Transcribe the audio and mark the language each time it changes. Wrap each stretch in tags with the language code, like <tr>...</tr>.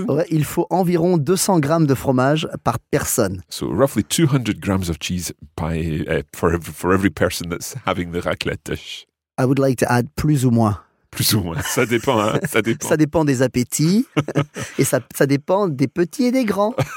<fr>Il faut environ 200 grammes de fromage par personne.</fr> <en>So roughly 200 grams of cheese for every person that's having the raclette dish. I would like to add</en> <fr>plus ou moins. Plus ou moins, ça dépend, hein? Ça dépend. Ça dépend des appétits et ça dépend des petits et des grands.</fr>